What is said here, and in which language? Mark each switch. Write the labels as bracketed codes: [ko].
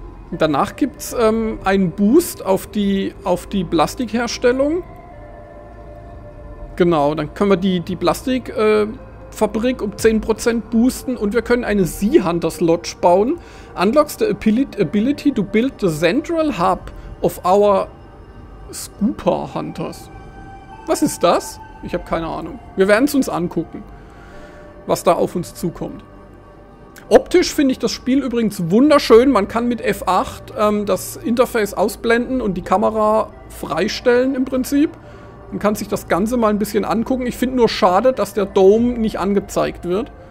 [de] Und danach gibt es einen Boost auf die Plastikherstellung. Genau, dann können wir die Plastikfabrik um 10% boosten und wir können eine Sea Hunters Lodge bauen. [en] Unlocks the ability to build the central hub of our Scooper Hunters. [de] Was ist das? Ich habe keine Ahnung. Wir werden es uns angucken, was da auf uns zukommt. Optisch finde ich das Spiel übrigens wunderschön. Man kann mit F8 das Interface ausblenden und die Kamera freistellen im Prinzip. Man kann sich das Ganze mal ein bisschen angucken. Ich finde nur schade, dass der Dome nicht angezeigt wird.